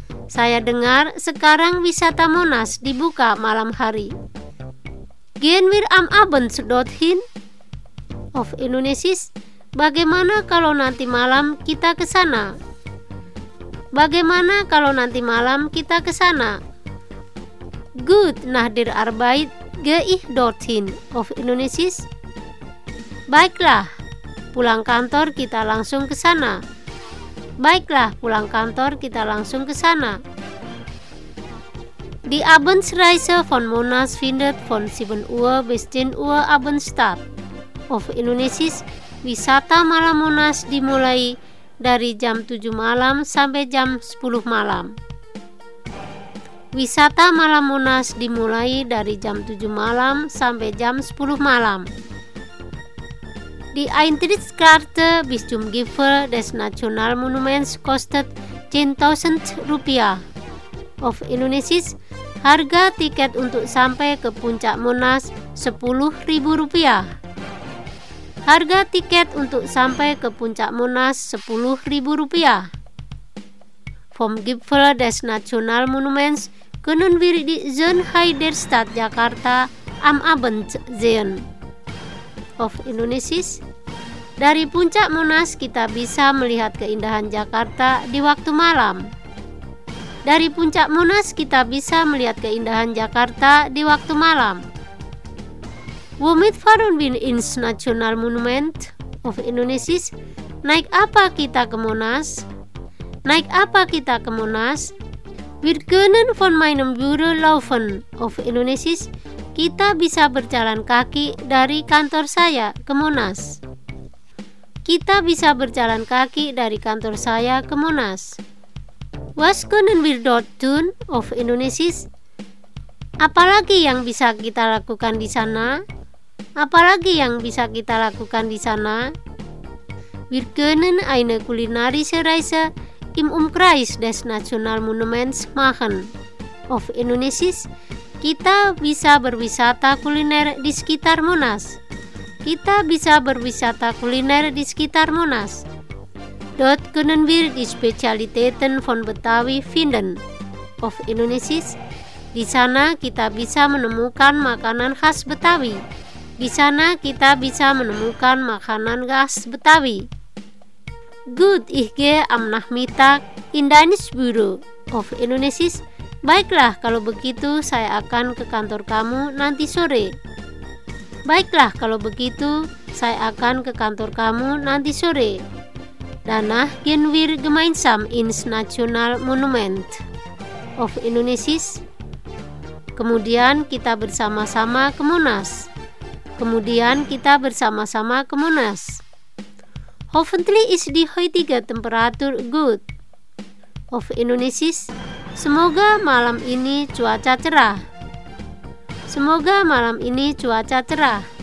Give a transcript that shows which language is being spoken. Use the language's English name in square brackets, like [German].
[Indonesian] Saya dengar sekarang wisata Monas dibuka malam hari. [German] Gehen wir am Abend dorthin? Auf Indonesisch, [Indonesian] bagaimana kalau nanti malam kita ke sana? Bagaimana kalau nanti malam kita ke sana? [German] Gut, nach der Arbeit gehe ich dorthin. Auf Indonesisch, [Indonesian] baiklah, pulang kantor kita langsung ke sana. Baiklah, pulang kantor kita langsung ke sana. [German] Die Abendsreise von Monas findet von 7 Uhr bis 10 Uhr abends statt. Auf Indonesisch, [Indonesian] wisata malam Monas dimulai dari jam 7 malam sampai jam 10 malam. Wisata malam Monas dimulai dari jam 7 malam sampai jam 10 malam. [German] Die Eintrittskarte bis zum Gipfel des Nationalmonuments kostet 10.000 Rupiah. [English] Of Indonesia, [Indonesian] harga tiket untuk sampai ke puncak Monas 10.000 Rupiah. Harga tiket untuk sampai ke puncak Monas 10.000 Rupiah. [German] Vom Gipfel des Nationalmonuments können wir die Sonne Heiderstadt Jakarta am Abend sehen. [English] Of Indonesia, [Indonesian] dari puncak Monas kita bisa melihat keindahan Jakarta di waktu malam. Dari puncak Monas kita bisa melihat keindahan Jakarta di waktu malam. [German] Womit fahren wir ins Nationalmonument [English] of Indonesia? [Indonesian] Naik apa kita ke Monas? Naik apa kita ke Monas? [German] Wir können von meinem Büro laufen [English] of Indonesia. [Indonesian] Kita bisa berjalan kaki dari kantor saya ke Monas. Kita bisa berjalan kaki dari kantor saya ke Monas. [German] Was können wir dort tun [English] of Indonesia? [Indonesian] Apalagi yang bisa kita lakukan di sana? Apalagi yang bisa kita lakukan di sana? [German] Wir können eine kulinarische Reise im Umkreis des Nationalmonuments machen [English] of Indonesia. [Indonesian] Kita bisa berwisata kuliner di sekitar Monas. Kita bisa berwisata kuliner di sekitar Monas. [German] Dort können wir die Spezialitäten von Betawi finden [English] of Indonesia. [Indonesian] Di sana kita bisa menemukan makanan khas Betawi. Di sana kita bisa menemukan makanan khas Betawi. [German] Gut, ich gehe am Nachmittag in deines Büro [English] of Indonesia. [Indonesian] Baiklah, kalau begitu saya akan ke kantor kamu nanti sore. Baiklah, kalau begitu saya akan ke kantor kamu nanti sore. [German] Danach gehen wir gemeinsam ins Nationalmonument [English] of Indonesia. [Indonesian] Kemudian kita bersama-sama ke Monas. Kemudian kita bersama-sama ke Monas. [German] Hoffentlich ist die heutige Temperatur gut. [English] Of Indonesia. [Indonesian] Semoga malam ini cuaca cerah. Semoga malam ini cuaca cerah.